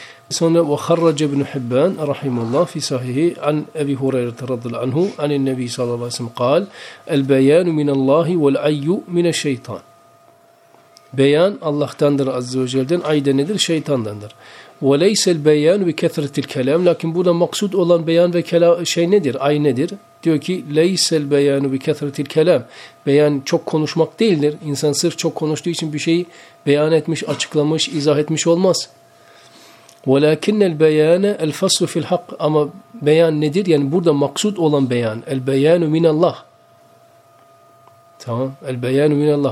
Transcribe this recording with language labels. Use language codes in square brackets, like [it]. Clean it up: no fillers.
[ar] Sonra وَخَرَّجَ بْنُ حِبَّانَ رَحِيمُ اللّٰهِ فِي صَحِهِ عَنْ اَبِي هُرَيْرَةَ رَضِ اللّٰهُ عَنِ النَّبِي صلى الله عليه وسلم قال الْبَيَانُ مِنَ اللّٰهِ وَالْعَيُّ مِنَ الشَّيْطَانِ. [tr] Beyan Allah'tandır Azze ve Celle'den, ayda nedir? Şeytandandır. [ar] وَلَيْسَ الْبَيَانُ وِكَثْرَةِ الْكَلَامِ. [tr] Lakin burada maksud olan beyan ve şey nedir? Ay nedir? Diyor ki [ar] لَيْسَ الْبَيَانُ وِكَثْرَةِ الْكَلَامِ. [tr] Beyan çok konuşmak değildir. İnsan sırf çok konuştuğu için bir şeyi beyan etmiş, açıklamış, izah etmiş olmaz. [ar] وَلَكِنَّ الْبَيَانَ الْفَصْلُ فِي الْحَقِّ. [tr] Ama beyan nedir? Yani burada maksud olan beyan. [ar] الْبَيَانُ مِنَ اللّٰهِ. [tr] Tamam. الْبَيَانُ مِنَ اللّٰهِ.